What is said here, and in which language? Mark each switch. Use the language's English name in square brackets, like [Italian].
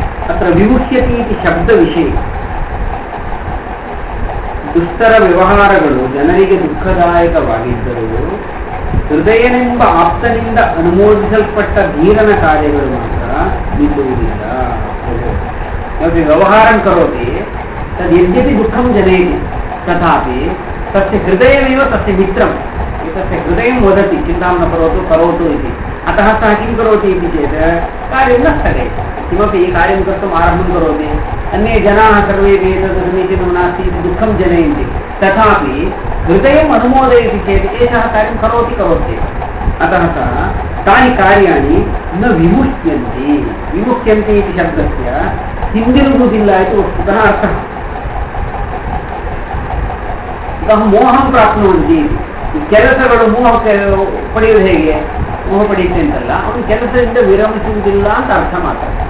[Sanskrit] अत्र विमुह्यति इति शब्दविषये [Kannada] ದುಸ್ತರವ್ಯವಹಾರಗಳು ಜನರಿಗೆ ದುಃಖದಾಯಕವಾಗಿದ್ದರೂ ಹೃದಯನೆಂಬ ಆಪ್ತನಿಂದ ಅನುಮೋದಿಸಲ್ಪಟ್ಟ ಧೀರನ ಕಾರ್ಯಗಳು ಮಾತ್ರ ನಿಲ್ಲುವುದಿಲ್ಲ. [Sanskrit] ವ್ಯವಹಾರ ಕರೋತಿ ತದ್ ಯದ್ಯಪಿ ದುಃಖಂ ಜನಯತಿ ತಥಾಪಿ ತಸ್ಯ ಹೃದಯವೇ ತಸ್ಯ ಮಿತ್ರಂ ಏತಸ್ಯ ಹೃದಯಂ ವದತಿ ಚಿಂತಾಂ ನ ಕರೋತು ಕರೋತು ಇತಿ. ಅತಃ ಸಹ ಕಿಂ ಕರೋತಿ ಇತಿ ಚೇತ್ ಕಾರ್ಯಂ ನ ಸ್ಥಗಯತಿ किमपि कार्यं कर्तुम् आरम्भं करोति अन्ये जनाः सर्वेपि एतत् समीचीनं नास्ति इति दुःखं जनयन्ति तथापि हृदयम् अनुमोदयति चेत् एषः कार्यं करोति करोति. अतः सः तानि कार्याणि न विमुच्यन्ति. विमुच्यन्ति इति शब्दस्य हिन्दिरुदिल्ल इति वस्तुतः अर्थः इतः मोहं प्राप्नुवन्ति [Kannada] ಕೆಲಸಗಳು ಮೋಹ ಪಡೆಯುವುದು ಹೇಗೆ ಮೋಹ ಪಡೆಯುತ್ತೆ ಅಂತಲ್ಲ ಅವನು ಕೆಲಸದಿಂದ ವಿರಮಿಸುವುದಿಲ್ಲ ಅಂತ ಅರ್ಥ ಮಾತ್ರ.